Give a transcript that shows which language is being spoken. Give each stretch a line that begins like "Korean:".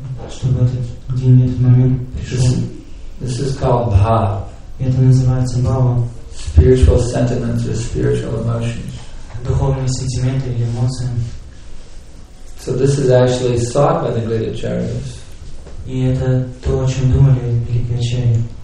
Russian: Чтобы этот день, этот момент пришел.
English: This is called bhava.
Russian: Это называется бхава.
English: Spiritual sentiments or spiritual emotions.
Russian: Духовные сентименты или эмоции.
English: So this is actually sought by the great acharyas.
Russian: И это то, о чем думали великие ачарьи.